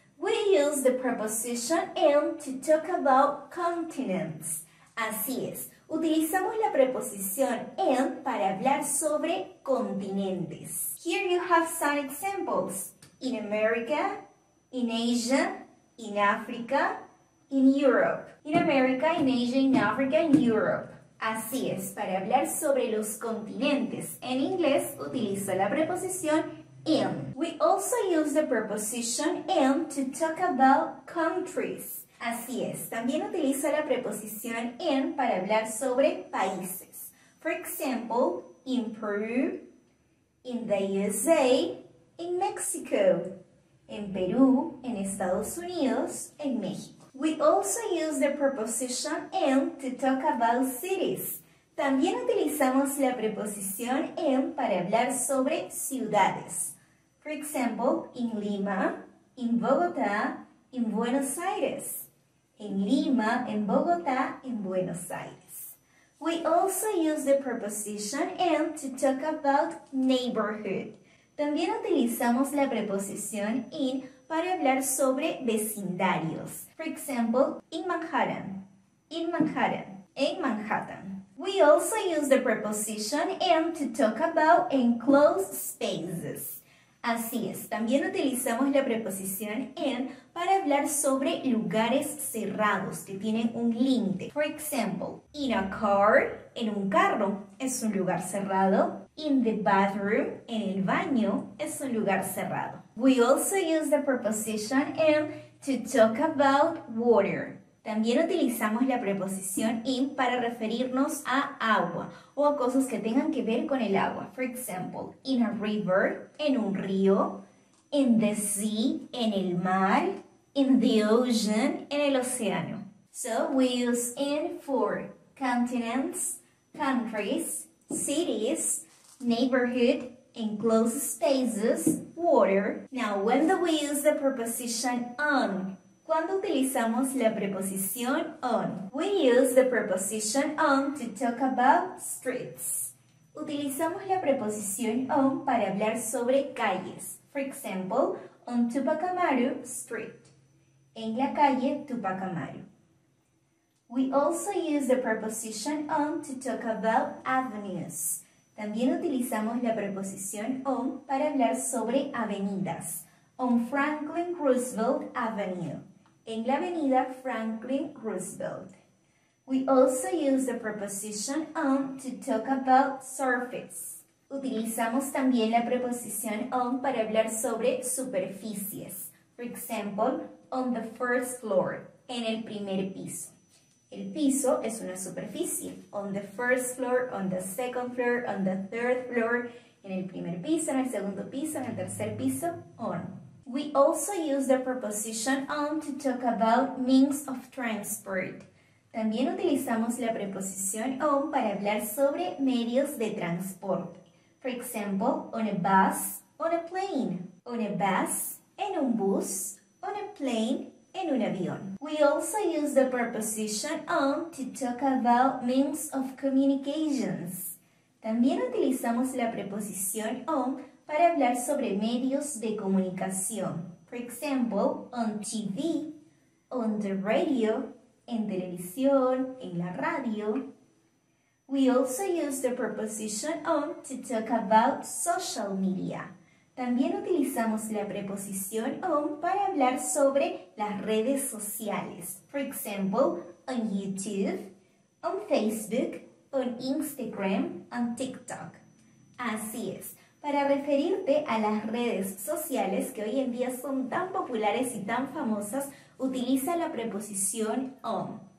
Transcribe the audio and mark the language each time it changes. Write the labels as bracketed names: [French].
[English] We use the preposition in to talk about continents. [Spanish] Así es. Utilizamos la preposición in para hablar sobre continentes. [English] Here you have some examples. In America, in Asia, in Africa, in Europe. In America, in Asia, in Africa, in Europe. [Spanish] Así es, para hablar sobre los continentes. En inglés utilizo la preposición in. [English] We also use the preposition in to talk about countries. [Spanish] Así es, también utilizo la preposición in para hablar sobre países. [English] For example, in Peru, in the USA, in Mexico, [Spanish] en Perú, en Estados Unidos, en México. [English] We also use the preposition in to talk about cities. [Spanish] También utilizamos la preposición in para hablar sobre ciudades. [English] For example, in Lima, in Bogotá, in Buenos Aires. [Spanish] En Lima, en Bogotá, en Buenos Aires. [English] We also use the preposition in to talk about neighborhood. [Spanish] También utilizamos la preposición in para hablar sobre vecindarios. [English] For example, in Manhattan. In Manhattan. [Spanish] En Manhattan. [English] We also use the preposition in to talk about enclosed spaces. [Spanish] Así es, también utilizamos la preposición in para hablar sobre lugares cerrados que tienen un límite. [English] For example, in a car, [Spanish] en un carro, es un lugar cerrado. [English] In the bathroom, [Spanish] en el baño, es un lugar cerrado. [English] We also use the preposition in to talk about water. [Spanish] También utilizamos la preposición in para referirnos a agua o a cosas que tengan que ver con el agua. [English] For example, in a river, [Spanish] en un río, [English] in the sea, [Spanish] en el mar, [English] in the ocean, [Spanish] en el océano. [English] So, we use in for continents, countries, cities, neighborhood, enclosed spaces, water. Now, when do we use the preposition on? [Spanish] ¿Cuándo utilizamos la preposición on? [English] We use the preposition on to talk about streets. [Spanish] Utilizamos la preposición on para hablar sobre calles. [English] For example, on Tupac Amaru Street. [Spanish] En la calle Tupac Amaru. [English] We also use the preposition on to talk about avenues. [Spanish] También utilizamos la preposición on para hablar sobre avenidas. [English] On Franklin Roosevelt Avenue. [Spanish] En la avenida Franklin Roosevelt. [English] We also use the preposition on to talk about surface. [Spanish] Utilizamos también la preposición on para hablar sobre superficies. [English] For example, on the first floor, [Spanish] en el primer piso. El piso es una superficie. [English] On the first floor, on the second floor, on the third floor, [Spanish] en el primer piso, en el segundo piso, en el tercer piso, on. [English] We also use the preposition on to talk about means of transport. [Spanish] También utilizamos la preposición on para hablar sobre medios de transporte. [English] For example, on a bus, on a plane, on a bus, [Spanish] en un bus, [English] on a plane, [Spanish] en un avión. [English] We also use the preposition on to talk about means of communications. [Spanish] También utilizamos la preposición on para hablar sobre medios de comunicación. [English] For example, on TV, on the radio, [Spanish] en televisión, en la radio. [English] We also use the preposition on to talk about social media. [Spanish] También utilizamos la preposición on para hablar sobre las redes sociales. [English] For example, on YouTube, on Facebook, on Instagram, on TikTok. [Spanish] Así es. Para referirte a las redes sociales que hoy en día son tan populares y tan famosas, utiliza la preposición on.